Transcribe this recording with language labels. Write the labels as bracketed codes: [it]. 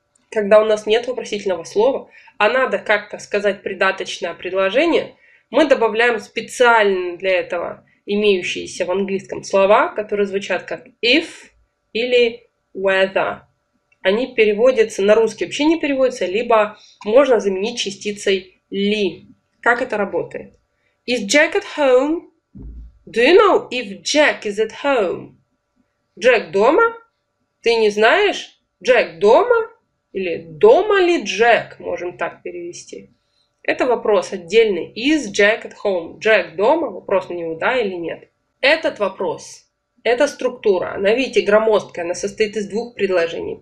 [ru] Когда у нас нет вопросительного слова, а надо как-то сказать придаточное предложение, мы добавляем специально для этого имеющиеся в английском слова, которые звучат как if или whether. Они переводятся на русский, вообще не переводятся, либо можно заменить частицей ли. Как это работает? [en] Is Jack at home? Do you know if Jack is at home? [ru] Джек дома? Ты не знаешь? Джек дома? Или дома ли Джек, можем так перевести. Это вопрос отдельный. [en] Is Jack at home? [ru] Джек дома? Вопрос на него, да или нет. Этот вопрос, эта структура, она, видите, громоздкая, она состоит из двух предложений.